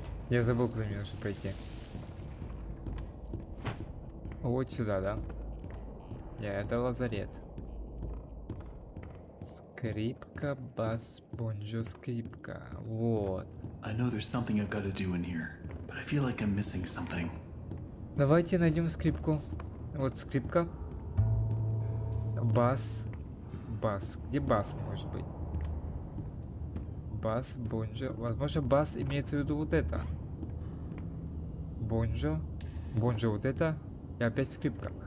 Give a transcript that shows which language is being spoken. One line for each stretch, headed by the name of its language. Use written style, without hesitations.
Russian: Я забыл, куда мне нужно пройти. Вот сюда, да? Не, это лазарет. Скрипка, бас, бонжо, скрипка. Вот.
English: I know there's something I've got to do in here, but I feel like I'm missing something.
Russian: Давайте найдем скрипку. Вот скрипка. Бас. Бас. Где бас, может быть? Бас, бонжо. Возможно, бас имеется в виду вот это. Бонжо. Бонжо вот это. И опять скрипка.